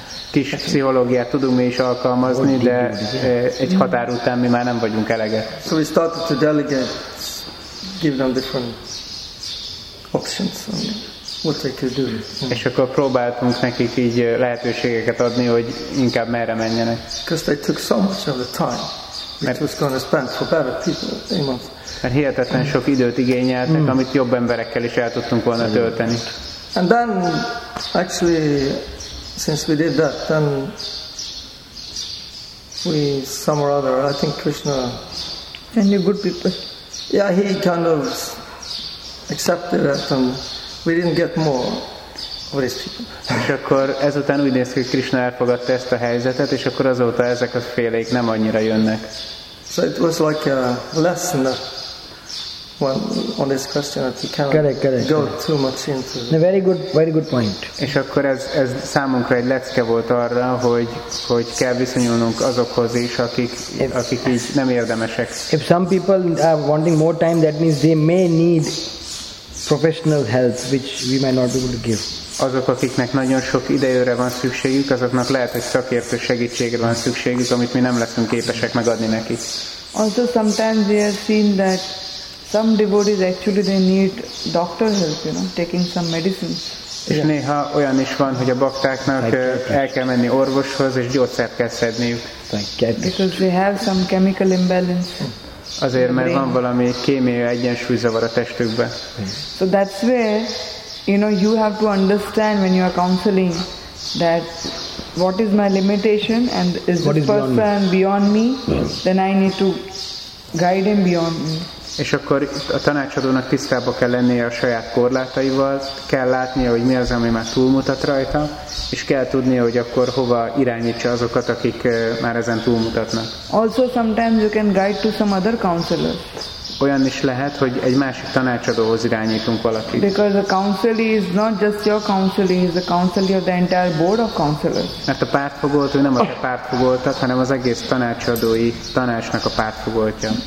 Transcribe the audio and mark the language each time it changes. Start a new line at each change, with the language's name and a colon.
Hungarian: Kis pszichológiát tudunk mi is alkalmazni, de egy határ után mi már nem vagyunk eleget.
English: So we started to delegate, give them different options on what they could do.
Hungarian: És akkor próbáltunk nekik így lehetőségeket adni, hogy inkább merre menjenek.
English: Because they took so much of the time which was going to spend for better people.
Hungarian: Mert hihetetlen sok időt igényeltek, amit jobb emberekkel is el tudtunk volna tölteni.
English: And then, actually, since we did that, then we, some or other, I think Krishna and you good people. Yeah, he kind of accepted that and we didn't get more of these people.
Hungarian: És akkor ezután úgy néz ki, hogy Krishna elfogadta ezt a helyzetet, és akkor azóta ezek a félék nem annyira jönnek.
English: So it was like a lesson that on this question that you cannot go too much into. Very good point.
Hungarian: És akkor ez számunkra egy lecke volt arra, hogy kell viszonyulnunk azokhoz is, akik így nem érdemesek.
English: If some people are wanting more time, that means they may need professional help, which we might not be able to give.
Hungarian: Azok, akiknek nagyon sok idejőre van szükségük, azoknak lehet, hogy szakértő segítségre van szükségük, amit mi nem leszünk képesek megadni nekik.
English: Also, sometimes we have seen that some devotees actually they need doctor help, you know, taking some medicines.
Hungarian: És néha olyan is van, hogy a baktáknak el kell menni orvoshoz és gyógyszert kell szedniük.
English: Because they have some chemical imbalance.
Hungarian: Azért, mert van valami kémiai egyensúlyzavar a testükben.
English: So that's where, you know, you have to understand when you are counseling that what is my limitation and is this person beyond me? Then I need to guide him beyond me.
Hungarian: És akkor a tanácsadónak tisztába kell lennie a saját korlátaival, kell látnia, hogy mi az, ami már túlmutat rajta, és kell tudnia, hogy akkor hova irányítsa azokat, akik már ezen túlmutatnak.
English: Also sometimes you can guide to some other counselor.
Hungarian: Olyan is lehet, hogy egy másik tanácsadóhoz irányítunk valakit.
English: Because a counselee is not just your counselee, he is the counselee of the entire board of counselors.
Hungarian: Mert a pártfogolt, ő nem a te pártfogoltad, hanem az egész tanácsadói tanácsnak a pártfogoltja.